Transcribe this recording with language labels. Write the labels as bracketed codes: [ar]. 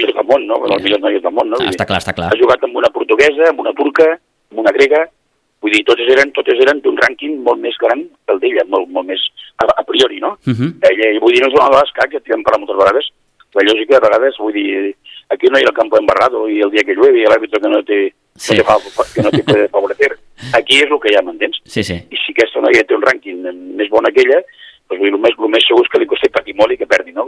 [ca] noies del món, no? Amb les millors noies del món, no? Està clar. Ha jugat amb una portuguesa, amb una turca, amb una grega, vull dir, totes eren d'un rànquing molt més gran que el d'ella, molt més a priori, no? Ella, vull dir, no és una de les que ja tirem per moltes vegades. La lògica, a vegades, vull dir, [es] aquí no hay el campo embarrado y el día que llueve el árbitro que no te, sí. Que no te puede favorecer. [ca] Aquí és el que hi ha, m'entens? Sí, sí. I si aquesta noia té un rànquing més bon que ella, doncs vull dir, el més segur és que li costi patir molt i que perdi, no?